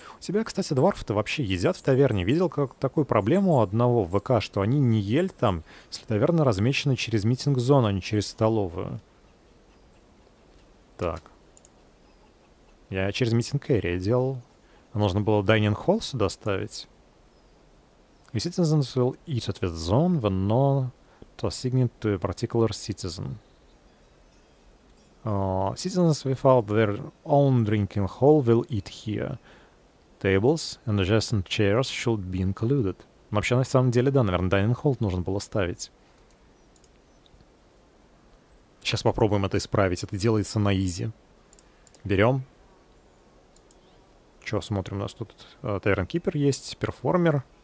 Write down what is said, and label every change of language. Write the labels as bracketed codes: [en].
[ru] У тебя, кстати, дворфы-то вообще едят в таверне. Видел как такую проблему у одного в ВК, что они не ели там, если таверна размечена через митинг-зону, а не через столовую. Так. Я через митинг-эрия делал. Нужно было дайнинг-холл сюда ставить. [en] Citizens will eat at this zone when not assigned to a particular citizen. Citizens without their own drinking hall will eat here. Tables and adjacent chairs should be included. [ru] Вообще, на самом деле, да, наверное, дайнинг-холл нужно было ставить. Сейчас попробуем это исправить. Это делается на изи. Берем. Че, смотрим, у нас тут Tavern Keeper есть, перформер.